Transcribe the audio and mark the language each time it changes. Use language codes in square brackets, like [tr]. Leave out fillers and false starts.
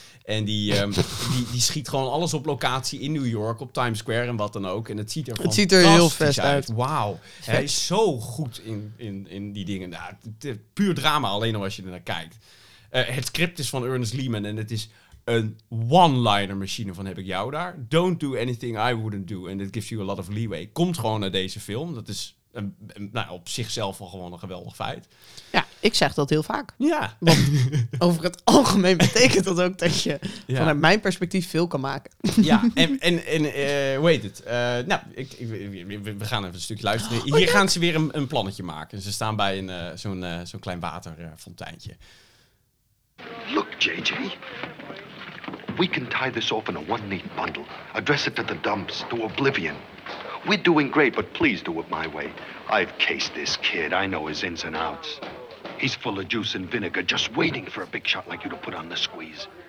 [nl] En die schiet gewoon alles op locatie in New York, op Times Square en wat dan ook. En het ziet er fantastisch uit. Het ziet er heel vet uit. Wauw. Hij is zo goed in die dingen. Nou, puur drama alleen al als je ernaar kijkt. Het script is van Ernest Lehman en het is een one-liner machine van heb ik jou daar. [en] Don't do anything I wouldn't do and it gives you a lot of leeway. [nl] Komt gewoon naar deze film. Dat is op zichzelf al gewoon een geweldig feit. Ja, ik zeg dat heel vaak. Ja. Want over het algemeen betekent dat ook dat je vanuit mijn perspectief veel kan maken. Ja, en hoe heet het? We gaan even een stukje luisteren. Hier gaan ze weer een plannetje maken. Ze staan bij zo'n klein waterfonteintje. [en] Look, JJ. We can tie this off in a one neat bundle. Address it to the dumps, to oblivion. We're doing great, but please do it my way. I've cased this kid. I know his ins and outs. He's full of juice and vinegar, just waiting for a big shot like you to put on the squeeze.